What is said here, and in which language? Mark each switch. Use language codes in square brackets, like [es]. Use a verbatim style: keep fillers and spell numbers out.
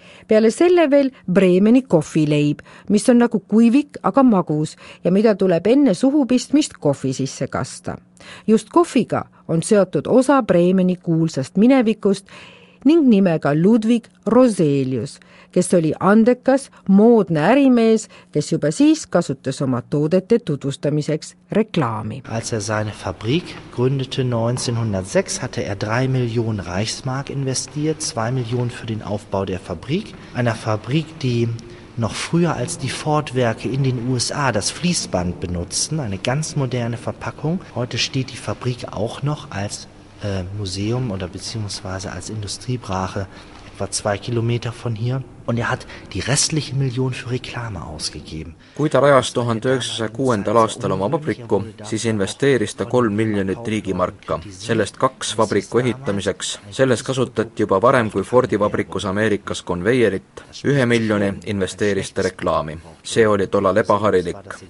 [et] Peale selle veel Bremeni kohvileib, mis on nagu kuivik, aga magus ja mida tuleb enne suhupistmist kohvi sisse kasta. Just kohviga on seotud osa Bremeni kuulsast minevikust, ning nimega Ludwig Roselius, kes oli andekas, moodne ärimees, kes juba siis kasutas oma toodete tutvustamiseks reklaami. [de] Als er seine Fabrik gründete neunzehnhundertsechs, hatte er drei Millionen Reichsmark investiert, zwei Millionen für den Aufbau der Fabrik. Einer Fabrik, die noch früher als die Ford-Werke in den U S A das Fließband benutzten, eine ganz moderne Verpackung. Heute steht die Fabrik auch noch als Museum oder beziehungsweise als Industriebrache etwa zwei Kilometer von hier. und er hat die restliche Million für Reklame ausgegeben. [et] Kui ta rajas tuhande üheksasaja kuuendal aastal oma vabriku, siis investeeris ta kolm miljonit riigimarka, sellest kaks vabriku ehitamiseks. Selles kasutati juba varem kui Fordi vabrikus Ameerikas konveierit. Ühe miljoni investeeris ta reklaami. See oli tollal ebaharilik.